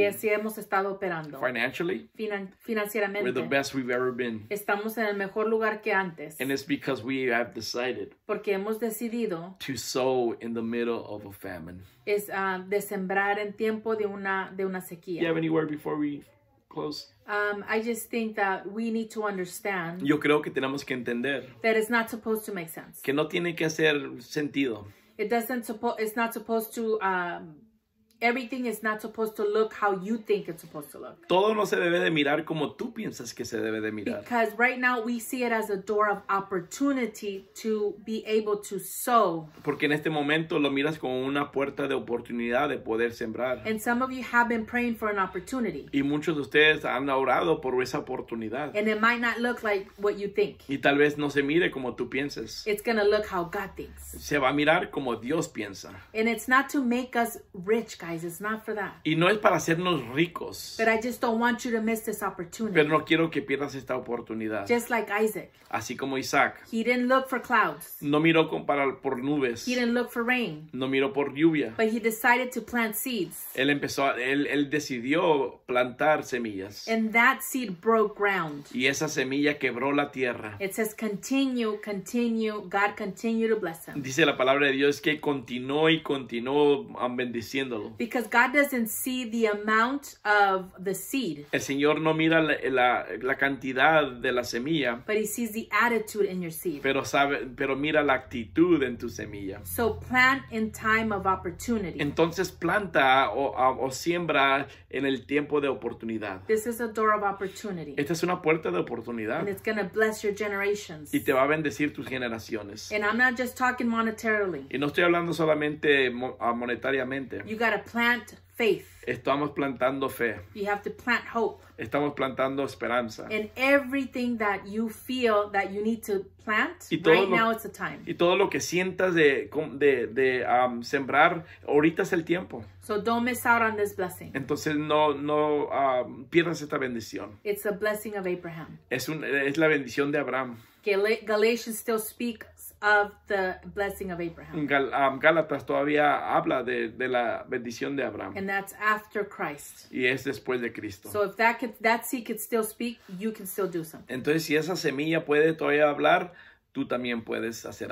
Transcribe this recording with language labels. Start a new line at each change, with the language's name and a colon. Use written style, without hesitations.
Spanish: Y así hemos estado operando.
English: Financially.
Spanish: Financieramente.
English: We're the best we've ever been.
Spanish: Estamos en el mejor lugar que antes.
English: And it's because we have decided.
Spanish: Porque hemos decidido.
English: To sow in the middle of a famine.
Spanish: Es de sembrar en tiempo de una sequía.
English: Do you have any word before we close? I just think that we need to understand.
Spanish: Yo creo que tenemos que entender.
English: That it's not supposed to make sense.
Spanish: Que no tiene que hacer sentido.
English: It doesn't suppose, it's not supposed to, everything is not supposed to look how you think it's supposed to look.
Spanish: Todo no se debe de mirar como tú piensas que se debe de mirar.
English: Because right now we see it as a door of opportunity to be able to sow.
Spanish: Porque en este momento lo miras como una puerta de oportunidad de poder sembrar.
English: And some of you have been praying for an opportunity.
Spanish: Y muchos de ustedes han orado por esa oportunidad.
English: And it might not look like what you think.
Spanish: Y tal vez no se mire como tú piensas.
English: It's going to look how God thinks.
Spanish: Se va a mirar como Dios piensa.
English: And it's not to make us rich, guys, it's not for that.
Spanish: Y no es para hacernos ricos.
English: But I just don't want you to miss this opportunity.
Spanish: Pero no quiero que pierdas esta oportunidad.
English: Just like Isaac.
Spanish: Así como Isaac.
English: He didn't look for clouds.
Spanish: No miró por nubes.
English: He didn't look for rain.
Spanish: No miró por lluvia.
English: But he decided to plant seeds.
Spanish: Él decidió plantar semillas.
English: And that seed broke ground.
Spanish: Y esa semilla quebró la tierra.
English: It says continue, God continue to bless him.
Spanish: Dice la palabra de Dios que continuó y continuó bendiciendo.
English: Because God doesn't see the amount of the seed.
Spanish: El Señor no mira la cantidad de la semilla.
English: But he sees the attitude in your seed.
Spanish: Pero mira la actitud en tu semilla.
English: So plant in time of opportunity.
Spanish: Entonces planta o siembra en el tiempo de oportunidad.
English: This is a door of opportunity.
Spanish: Esta es una puerta de oportunidad.
English: And it's going to bless your generations.
Spanish: Y te va a bendecir tus generaciones.
English: And I'm not just talking monetarily.
Spanish: Y no estoy hablando solamente monetariamente.
English: You gotta plant faith.
Spanish: Estamos plantando fe.
English: You have to plant hope.
Spanish: Estamos plantando esperanza.
English: And everything that you feel that you need to plant, right now it's the time.
Spanish: Y todo lo que sientas de sembrar, ahorita es el tiempo.
English: So don't miss out on this blessing.
Spanish: Entonces no pierdas esta bendición.
English: It's a blessing of Abraham.
Spanish: Es la bendición de Abraham.
English: Galatians still speak of the blessing of Abraham.
Spanish: Gálatas todavía habla de la bendición de Abraham.
English: And that's after Christ.
Spanish: Y es después de Cristo.
English: So if that seed could still speak, you can still do something.
Spanish: Entonces, si esa semilla puede todavía hablar, tú también puedes hacer